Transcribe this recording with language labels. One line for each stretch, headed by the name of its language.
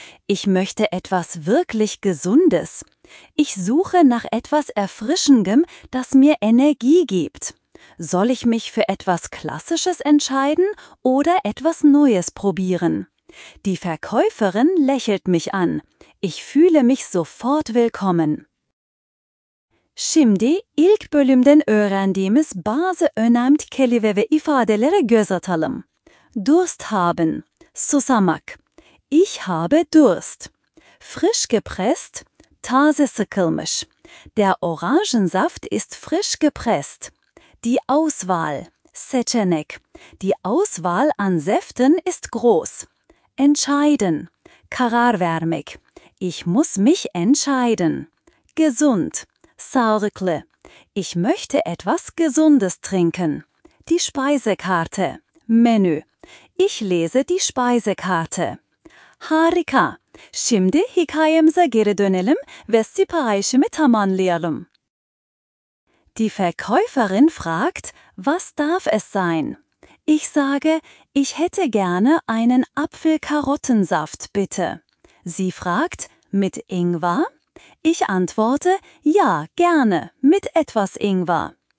German: Ich möchte etwas wirklich Gesundes. Ich suche nach etwas Erfrischendem, das mir Energie gibt. Soll ich mich für etwas Klassisches entscheiden oder etwas Neues probieren? Die Verkäuferin lächelt mich an. Ich fühle mich sofort willkommen.
Turkish: Şimdi ilk bölümden öğrendiğimiz bazı önemli kelime ve ifadelere göz atalım.
German: Durst haben, susamak. Ich habe Durst. Frisch gepresst,
Turkish: taze sıkılmış.
German: Der Orangensaft ist frisch gepresst. Die Auswahl, seçenek. Die Auswahl an Säften ist groß. Entscheiden,
Turkish: karar vermek.
German: Ich muss mich entscheiden. Gesund. Sağlıklı. Ich möchte etwas Gesundes trinken. Die Speisekarte. Menü. Ich lese die Speisekarte.
Turkish: Harika. Şimdi hikayemize geri dönelim ve siparişimi tamamlayalım.
German: Die Verkäuferin fragt, was darf es sein? Ich sage, ich hätte gerne einen Apfel-Karottensaft, bitte. Sie fragt, mit Ingwer? Ich antworte, ja, gerne, mit etwas Ingwer.